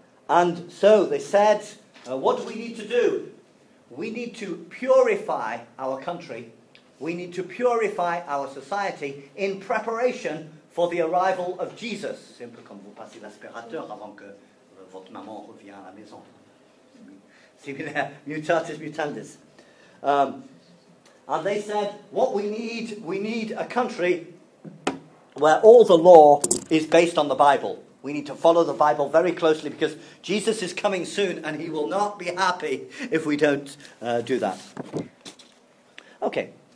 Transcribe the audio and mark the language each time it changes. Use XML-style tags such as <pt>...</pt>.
<en>And so they said, what do we need to do? We need to purify our country. We need to purify our society in preparation for the arrival of Jesus.</en> <fr>C'est un peu comme vous passez l'aspirateur avant que votre maman revienne à la maison. Similaire, mutatis mutandis.</fr> <en>And they said, what we need a country where all the law is based on the Bible. We need to follow the Bible very closely because Jesus is coming soon and he will not be happy if we don't do that. Okay.</en>